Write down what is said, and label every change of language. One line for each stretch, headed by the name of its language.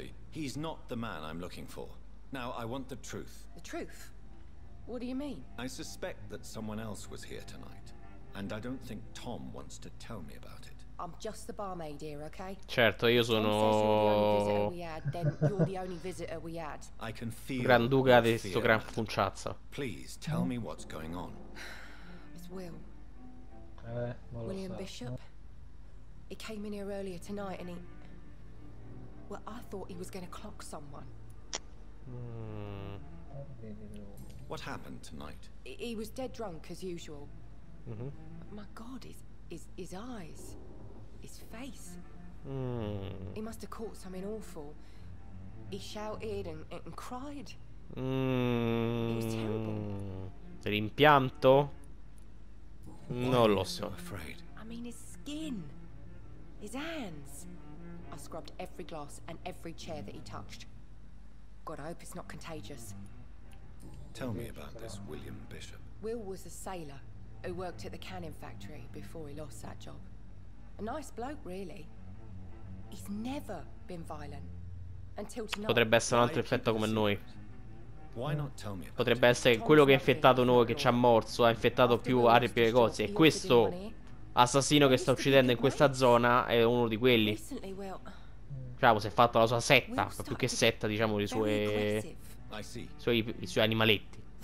English: He's not the man I'm looking for. Now I want the truth. The truth? What do you mean? I suspect that someone else was here tonight and I don't think Tom wants to tell me about it. I'm just the barmaid here, okay?
Italian: Certo, io sono granduca di sto gran punciazza.
English: Please tell me what's going on. It's Will. William Bishop. He came in here earlier tonight and he well, I thought he was going to clock someone. What happened tonight? He was dead drunk as usual. My god, his eyes. His face. He must have caught something awful. He shouted and cried. It was terrible.
Italian: Rimpianto? Non lo so. Afraid.
English: I mean his skin. His hands. I scrubbed every glass and every chair that he touched. God, I hope it's not contagious. Tell me about this William Bishop. Will was a sailor who worked at the cannon factory before he lost that job. A nice bloke, really. He's never been violent until tonight.
Italian: Potrebbe essere un altro infetto come noi. Potrebbe essere quello che ha infettato noi, che ci ha morso, ha infettato più altre più cose. E questo assassino che sta uccidendo in questa zona è uno di quelli. Diciamo, si è fatto la sua setta, più che setta, diciamo, i suoi animaletti.